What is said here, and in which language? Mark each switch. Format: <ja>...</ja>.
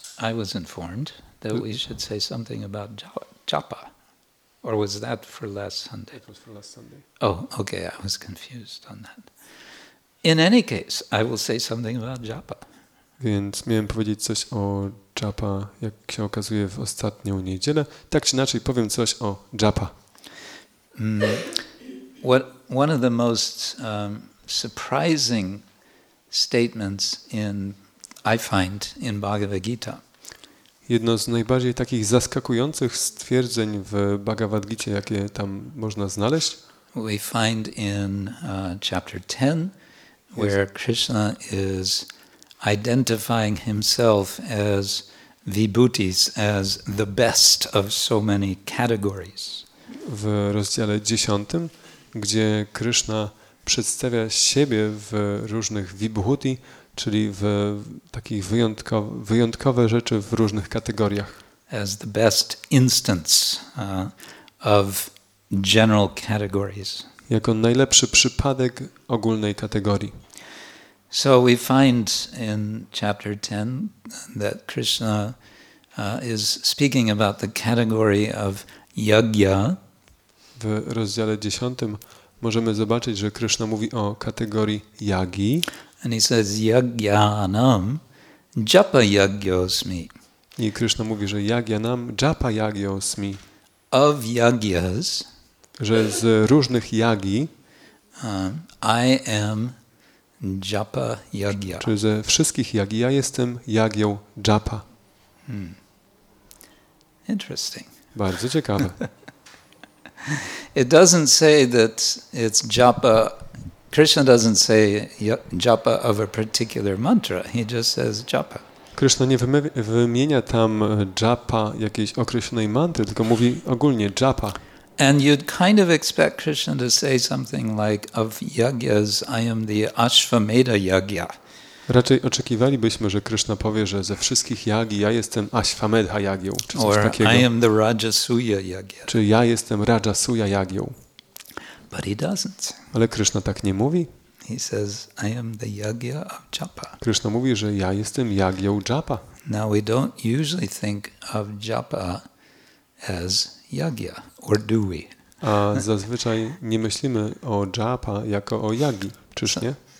<en>I was informed that we should say something about japa, or was that for last Sunday? It was for last Sunday. Oh, okay. I was confused on that. In any case, I will say something about japa.</en> <pl>Więc miałem powiedzieć coś o japa, jak się okazuje, w ostatnią niedzielę. Tak czy inaczej, powiem coś o japa.</pl> <en>What one of the most surprising statements in I find in Bhagavad Gita.</en> <pl>Jedno z najbardziej takich zaskakujących stwierdzeń w Bhagavad Gita, jakie tam można znaleźć.</pl> <en>We find in chapter 10 where Krishna is identifying himself as vibhutis, as the best of so many categories.</en> <pl>W rozdziale 10, gdzie Krishna przedstawia siebie w różnych vibhuti, czyli w takich wyjątkowe rzeczy w różnych kategoriach.</pl> <en>As the best instance of general categories.</en> <pl>Jako najlepszy przypadek ogólnej kategorii.</pl> <en>So we find in chapter 10 that Krishna is speaking about the category of yajna.</en> <pl>W rozdziale 10 możemy zobaczyć, że Krishna mówi o kategorii yagi.</pl> <en>And he says,</en> <sa>yagyanam japa yagyosmi.</sa> <pl>I Krishna mówi, że</pl> <sa>yagyanam japa yagyosmi.</sa> <en>Of yagyas,</en> <pl>że z różnych yagi,</pl> <en>I am japa yagya.</en> <pl>Czy ze wszystkich yagi, ja jestem yagyą japa.</pl> <en>Hmm. Interesting.</en> <pl>Bardzo ciekawe.</pl> <en>It doesn't say that it's japa. Krishna doesn't say japa of a particular mantra. He just says japa.</en> <pl>Krishna nie wymienia tam japa jakiejś określonej mantry, tylko mówi ogólnie japa.</pl> <en>And you'd kind of expect Krishna to say something like of yagyas I am the Ashvamedha yagya.</en> <pl>Raczej oczekiwalibyśmy, że Krishna powie, że ze wszystkich yagi ja jestem Ashvamedha yagyą, czy coś takiego.</pl> <en>Or I am the Rajasuya yagya.</en> <pl>Czy ja jestem Rajasuya yagyą.</pl> <en>But he doesn't.</en> <pl>Ale Krishna tak nie mówi.</pl> <en>He says, I am the yagya of japa.</en> <pl>Krishna mówi, że ja jestem yagyą japa.</pl> <en>Now we don't usually think of japa as yagya, or do we?</en> <pl>A zazwyczaj nie myślimy o japa jako o yagi, czyż nie?</pl>